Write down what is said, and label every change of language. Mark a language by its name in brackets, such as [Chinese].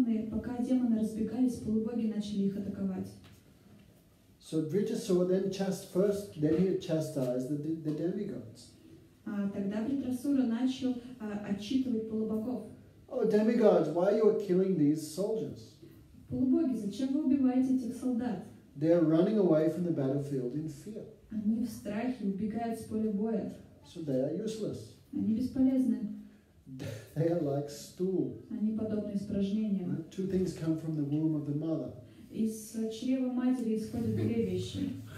[Russian] Пока демоны разбегались, полубоги начали их атаковать. [English] So Vritasura then chastised the demigods. [Russian] Тогда Вритасура начал отчитывать полубогов. [English] Oh, demigods, why are you killing these soldiers? [Russian] Полубоги, зачем вы убиваете этих солдат? [English] They are running away from the battlefield in fear. [Russian] Они в страхе убегают с поля боя. [English] So they are useless. [Russian] Они бесполезны. [English] They are like stool. [Russian] Они подобны испражнениям. [English] Two things come from the womb of the mother. [Russian] Из чрева матери исходят две вещи.